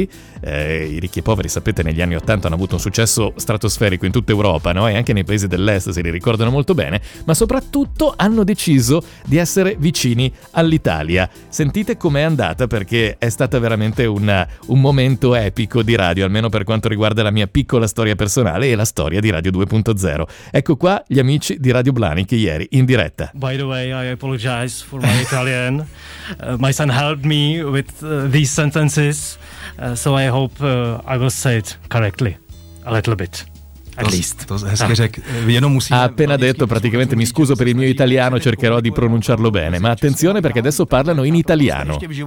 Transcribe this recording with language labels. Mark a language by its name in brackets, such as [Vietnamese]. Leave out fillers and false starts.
[Italian] I Ricchi e Poveri, sapete, negli anni 80 hanno avuto un successo stratosferico in tutta Europa, no? E anche nei paesi dell'est se li ricordano molto bene, ma soprattutto hanno deciso di essere vicini all'Italia. Sentite com'è andata, perché è stata veramente un momento epico di radio, almeno per quanto riguarda la mia piccola storia personale e la storia di Radio 2.0. Ecco qua gli amici di Radio Blanik ieri in diretta. [English] By the way, I apologize for my Italian. My son helped me with these sentences, so I hope I will say it correctly, a little bit, at least. [Italian] Ha appena detto praticamente: mi scuso per il mio italiano, cercherò di pronunciarlo bene, ma attenzione perché adesso parlano in italiano.